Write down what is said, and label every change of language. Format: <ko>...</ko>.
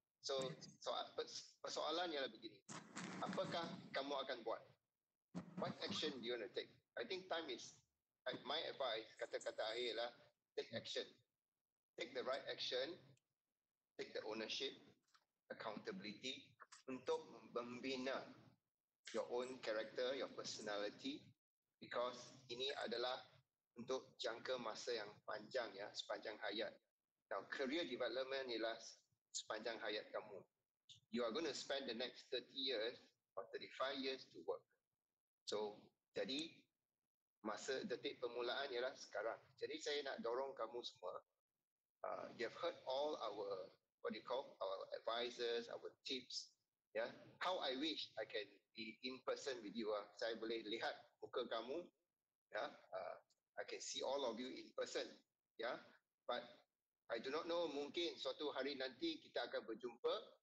<ms>So persoalan ialah begini, apakah kamu akan buat?</ms> <en>What action do you want to take? I think time is, like my advice,</en> <ms>kata-kata akhir lah,</ms> <en>take action. Take the right action, take the ownership, accountability</en> <ms>untuk membina</ms> <en>your own character, your personality, because</en> <ms>ini adalah untuk jangka masa yang panjang ya, sepanjang hayat.</ms> <en>Now,</en> <ms>career development ialah sepanjang hayat kamu.</ms> <en>You are going to spend the next 30 years or 35 years to work.</en> <ms>So, jadi masa detik permulaan ialah sekarang. Jadi saya nak dorong kamu semua.</ms> <en>You have heard all our, what do you call, our advisors, our tips. How I wish I can be in person with you.</en> <ms>Saya boleh lihat muka kamu.</ms> <en>I can see all of you in person. But I do not know,</en> <ms>mungkin suatu hari nanti kita akan berjumpa.</ms>